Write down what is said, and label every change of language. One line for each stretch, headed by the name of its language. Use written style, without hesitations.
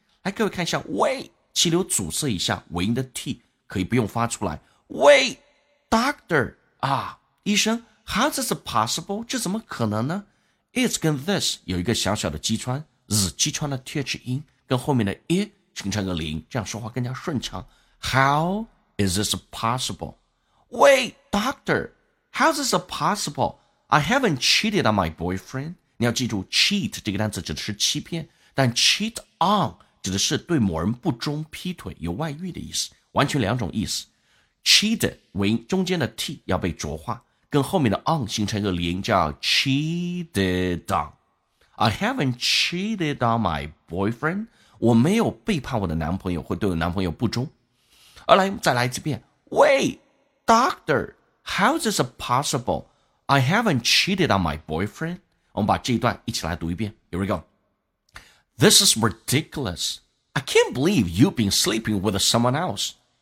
Chinese: 来，各位看一下 wait, 气流阻塞一下，尾音的 T 可以不用发出来。
English: Wait, doctor,
Chinese: 啊，医生
English: how is this possible?
Chinese: 这怎么可能呢？It 跟 this 有一个小小的击穿， z 击穿了 th 音，跟后面的 i 形成个零，这样说话更加顺畅。
English: How is this possible? Wait, doctor, how is this possible? I haven't cheated on my boyfriend.
Chinese: 你要记住 cheat 这个单词指的是欺骗，但 cheat on 指的是对某人不忠、劈腿、有外遇的意思，完全两种意思。 cheat 为中间的 t 要被浊化，跟后面的 on 形成一个连叫 cheated on.
English: I haven't cheated on my boyfriend.
Chinese: 我没有背叛我的男朋友，会对我男朋友不忠。而来再来一遍。
English: Wait, doctor, how is this possible? I haven't cheated on my boyfriend.
Chinese: 我们把这一段一起来读一遍。
English: Here we go. This is ridiculous. I can't believe you've been sleeping with someone else.